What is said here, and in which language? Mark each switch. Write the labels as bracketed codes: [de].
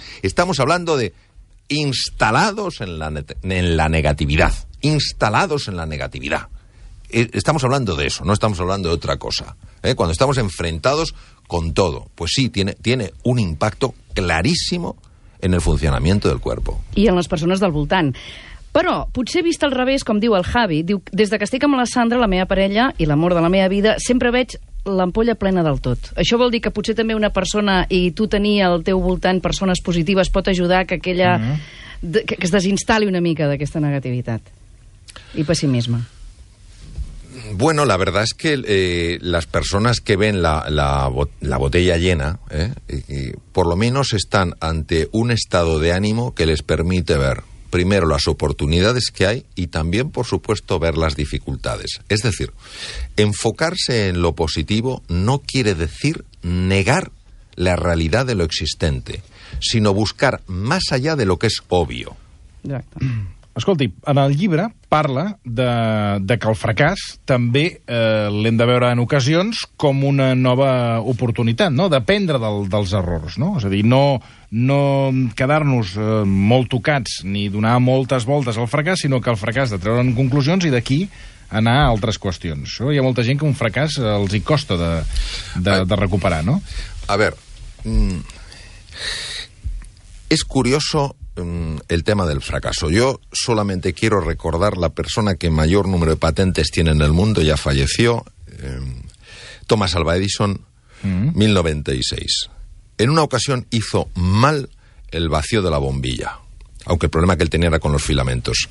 [es] Estamos hablando de instalados en la negatividad. Instalados en la negatividad. Estamos hablando de eso, no estamos hablando de otra cosa. Cuando estamos enfrentados con todo, pues sí, tiene un impacto clarísimo en el funcionamiento del cuerpo. [ca] I en les persones del voltant. Però, potser vist al revés, com diu el Javi, diu, des que estic amb la Sandra, la meva parella i l'amor de la meva vida, sempre veig l'ampolla plena del tot. Això vol dir que potser també una persona, i tu tenir al teu voltant persones positives, pot ajudar que aquella... que es desinstal·li una mica d'aquesta negativitat i pessimisme. [es] Bueno, la verdad es que las personas que ven la botella llena, por lo menos están ante un estado de ánimo que les permite ver primero las oportunidades que hay y también, por supuesto, ver las dificultades. Es decir, enfocarse en lo positivo no quiere decir negar la realidad de lo existente, sino buscar más allá de lo que es obvio. Exacto. [ca] Escolti, en el llibre parla de que el fracàs també l'hem de veure en ocasions com una nova oportunitat, no? D'aprendre dels errors, no? És a dir, no quedar-nos molt tocats ni donar moltes voltes al fracàs, sinó que el fracàs de treure'n conclusions i d'aquí anar a altres qüestions. No? Hi ha molta gent que un fracàs els hi costa de recuperar, no? A veure, és [es] curioso el tema del fracaso. Yo solamente quiero recordar la persona que mayor número de patentes tiene en el mundo, ya falleció, Thomas Alva Edison, 1096. En una ocasión hizo mal el vacío de la bombilla, aunque el problema que él tenía era con los filamentos.